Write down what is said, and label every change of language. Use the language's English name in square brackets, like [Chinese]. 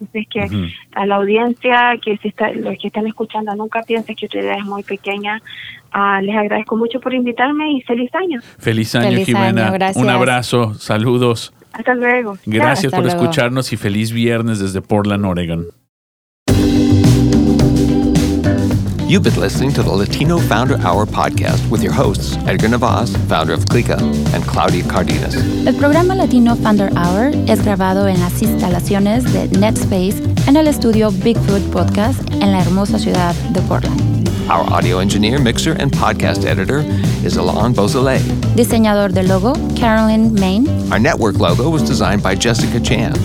[Spanish] Así que uh-huh. A la audiencia, los que están escuchando, nunca piensen que tu idea es muy pequeña. Les agradezco mucho por invitarme y feliz año. Feliz año, Ximena. Un abrazo, saludos. Hasta luego. Gracias por escucharnos y feliz viernes desde Portland, Oregon. [English] You've been listening to the Latino Founder Hour podcast with your hosts, Edgar Navas, founder of Clica, and Claudia Cardenas. [Spanish] El programa Latino Founder Hour es grabado en las instalaciones de NetSpace en el estudio Bigfoot Podcast en la hermosa ciudad de Portland. [English] Our audio engineer, mixer, and podcast editor is Alain Beausoleil. [Spanish] Diseñador de logo, Carolyn Main. [English] Our network logo was designed by Jessica Chan.